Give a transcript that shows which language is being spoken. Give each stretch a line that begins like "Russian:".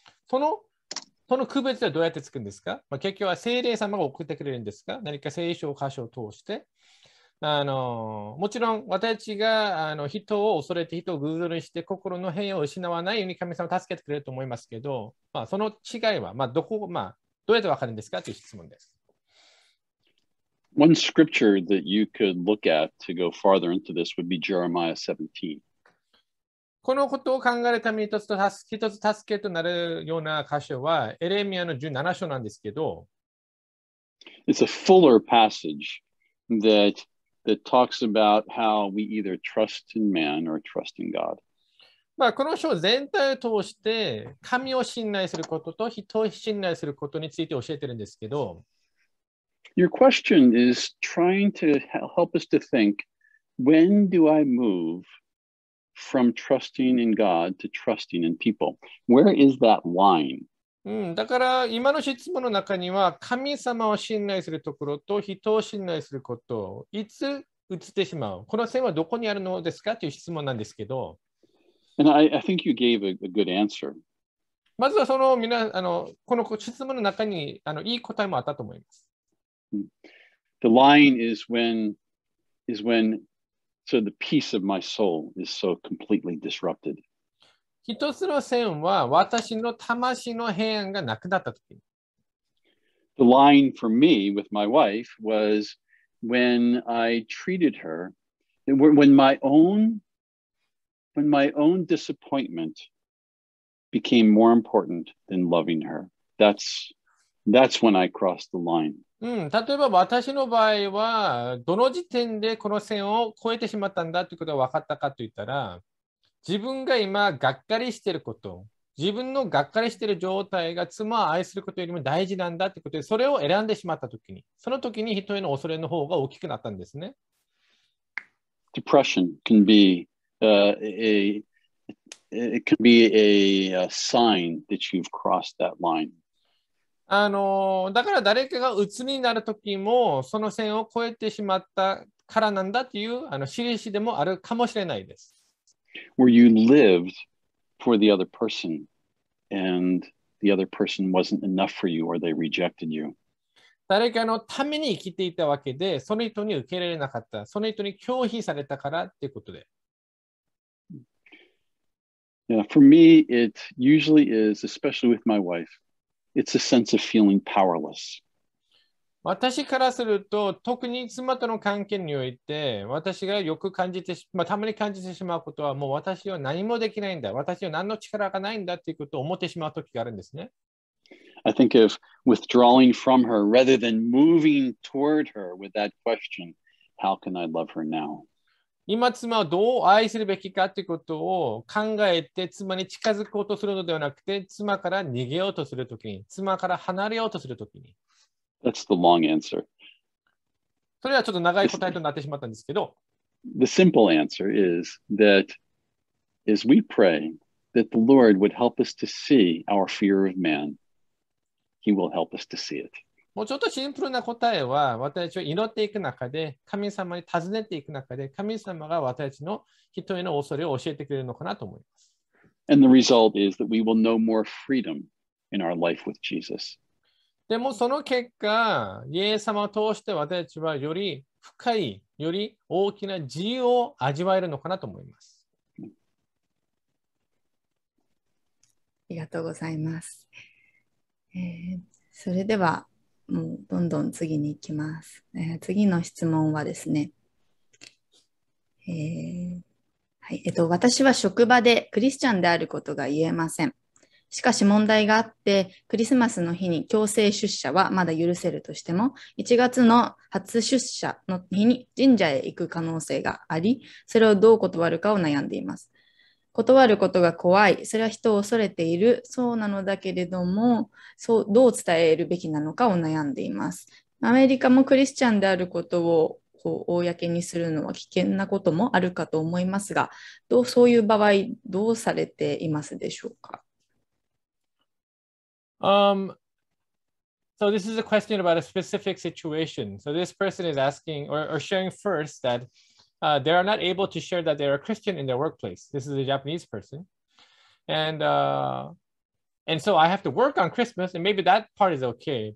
Japanese: その区別はどうやってつくんですか、結局は聖霊様が送ってくれるんですか、何か聖書箇所を通して。もちろん私たちが人を恐れて人を偶像にして心の平安を失わないように神様を助けてくれると思いますけど、その違いは、どうやって分かるんですかという質問です。
English: One scripture that you could look at to go farther into this would be Jeremiah 17.
Japanese: このことを考えるために一つ助けとなるような箇所はエレミアの17章なんですけど、
English: It's a fuller passage that talks about how we either trust in man or trust in God.
Japanese: この章全体を通して神を信頼することと人を信頼することについて教えてるんですけど、
English: Your question is trying to help us to think, when do I move from trusting in God to trusting in people? Where is that line?
Japanese: だから今の質問の中には神様を信頼するところと人を信頼することいつ移ってしまう、この線はどこにあるのですかという質問なんですけど、
English: And I think you gave a good answer.
Japanese: まずはその皆この質問の中にいい答えもあったと思います。
English: The line is when so the peace of my soul is so completely disrupted.
Japanese: 一つの線は私の魂の平安がなくなったとき。
English: The line for me with my wife was when I treated her, when my own disappointment became more important than loving her. That's when I crossed the line.
Japanese: 例えば私の場合は、どの時点でこの線を越えてしまったんだということが分かったかといったら、自分が今がっかりしていること、自分のがっかりしている状態が妻を愛することよりも大事なんだということで、それを選んでしまったときに、そのときに人への恐れの方が大きくなったんですね。
English: Depression can be, it can be a sign that you've crossed that line.
Japanese: だから誰かが鬱になるときも、その線を越えてしまったからなんだという印でもあるかもしれないです。
English: Where you lived for the other person and the other person wasn't enough for you or they rejected you.
Japanese: 誰かのために生きていたわけで、その人に受け入れられなかった、その人に拒否されたからっていうことで。
English: Yeah, for me, it usually is, especially with my wife, it's a sense of feeling powerless.
Japanese: 私からすると、特に妻との関係において、私がよく感じてし、たまに感じてしまうことは、もう私は何もできないんだ、私は何の力がないんだということを思ってしまうときがあるんですね。
English: I think of withdrawing from her rather than moving toward her with that question, how can I love her now?
Japanese: 今妻をどう愛するべきかということを考えて、妻に近づこうとするのではなくて、妻から逃げようとするときに、妻から離れようとするときに。
English: That's the long answer.
Japanese: それはちょっと長い答えとなってしまったんですけど。
English: The simple answer is that as we pray that the Lord would help us to see our fear of man, He will help us to see it.
Japanese: もうちょっとシンプルな答えは、私たちを祈っていく中で、神様に尋ねていく中で、神様が私たちの人への恐れを教えてくれるのかなと思います。
English: And the result is that we will know more freedom in our life with Jesus.
Japanese: でもその結果、イエス様を通して私たちはより深い、より大きな自由を味わえるのかなと思います。ありがとうございます。それでは、もうどんどん次に行きます。次の質問はですね、はい、私は職場でクリスチャンであることが言えません。しかし問題があって、クリスマスの日に強制出社はまだ許せるとしても、1月の初出社の日に神社へ行く可能性があり、それをどう断るかを悩んでいます。断ることが怖い、それは人を恐れている、そうなのだけれども、そうどう伝えるべきなのかを悩んでいます。アメリカもクリスチャンであることをこう公にするのは危険なこともあるかと思いますが、どうそういう場合、どうされていますでしょうか。
English: So this is a question about a specific situation. So this person is asking or sharing first that they are not able to share that they are a Christian in their workplace. This is a Japanese person. And so I have to work on Christmas, and maybe that part is okay.